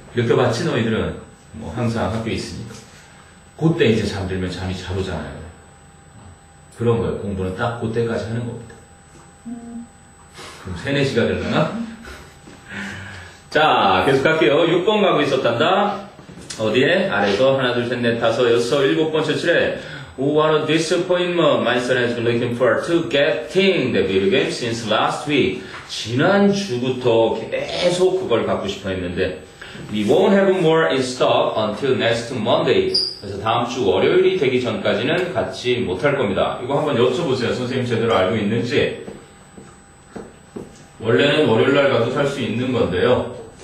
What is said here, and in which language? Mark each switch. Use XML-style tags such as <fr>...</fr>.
<ko>이렇게 봤지, 너희들은. 뭐, 항상 학교에 있으니까. 그때 이제 잠들면 잠이 잘 오잖아요. 그런 거예요. 공부는 딱 그때까지 하는 겁니다. 그럼 3, 4시가 되려나? 자, 계속 갈게요. 6번 가고 있었단다. 어디에? 아래서 하나, 둘, 셋, 넷, 다섯, 여섯, 일곱 번째 칠에.</ko> <en>What a disappointment. My son has been looking forward to getting the video game since last week.</en> <ko>지난주부터 계속 그걸 갖고 싶어 했는데.</ko> <en>We won't have more in stock until next Monday.</en> <ko>그래서 다음 주 월요일이 되기 전까지는 갖지 못할 겁니다. 이거 한번 여쭤보세요. 선생님 제대로 알고 있는지. 원래는 월요일날 가도 살 수 있는 건데요.</ko>